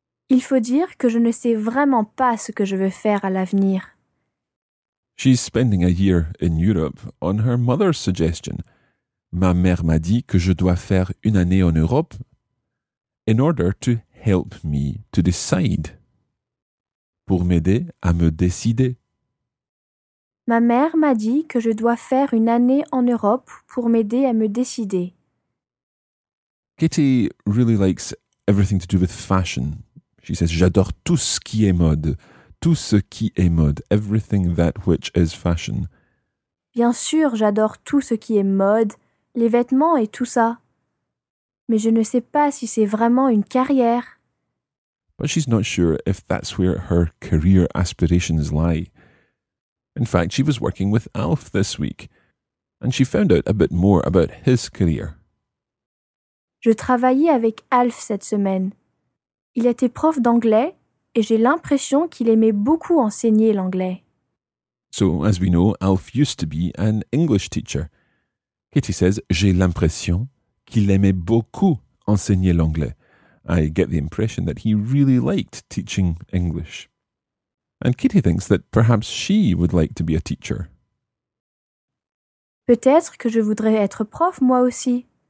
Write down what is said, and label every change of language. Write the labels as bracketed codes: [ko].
[fr] Il faut dire que je ne sais vraiment pas ce que je veux faire à l'avenir. [en] She's spending a year in Europe on her mother's suggestion. [fr] Ma mère m'a dit que je dois faire une année en Europe [en] in order to help me to decide. [fr] Pour m'aider à me décider. Ma mère m'a dit que je dois faire une année en Europe pour m'aider à me décider. [en] Kitty really likes everything to do with fashion. She says, [fr] j'adore tout ce qui est mode. Tout ce qui est mode, [en] everything that which is fashion. [fr] Bien sûr, j'adore tout ce qui est mode, les vêtements et tout ça. Mais je ne sais pas si c'est vraiment une carrière. [en] But she's not sure if that's where her career aspirations lie. In fact, she was working with Alf this week, and she found out a bit more about his career. [fr] Je travaillais avec Alf cette semaine. Il était prof d'anglais. Et j'ai l'impression qu'il aimait beaucoup enseigner l'anglais. [en] So, as we know, Alf used to be an English teacher. Kitty says, [fr] j'ai l'impression qu'il aimait beaucoup enseigner l'anglais. [en] I get the impression that he really liked teaching English. And Kitty thinks that perhaps she would like to be a teacher. [fr] Peut-être que je voudrais être prof moi aussi.